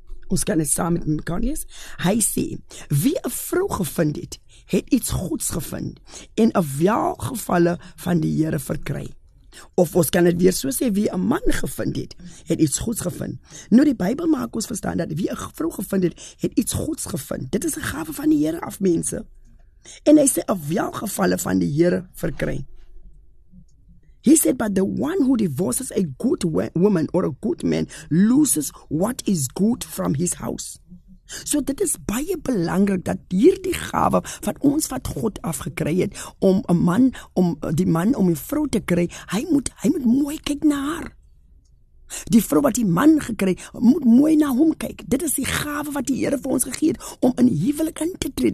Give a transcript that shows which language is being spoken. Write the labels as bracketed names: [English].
[Afrikaans] Ons kan dit saam met my gaan lees. Hy sê, wie 'n vrou gevind het, het iets goeds gevind en 'n welgevalle van die Here verkry. Of ons kan dit weer so sê, wie 'n man gevind het, het iets goeds gevind. Nou die Bybel maak ons verstaan dat wie 'n vrou gevind het, het iets goeds gevind. Dit is 'n gawe van die Here af mense. En hy sê 'n welgevalle van die Here verkry. [English] He said, but the one who divorces a good woman or a good man loses what is good from his house. [Afrikaans] So dit is baie belangrik dat hierdie gawe wat ons wat God afgekry het om 'n man om die man om 'n vrou te kry, hy moet mooi kyk na haar. Die vrou wat die man gekry, moet mooi na hom kyk. Dit is die gawe wat die Here vir ons gegee het om in huwelik in te tree.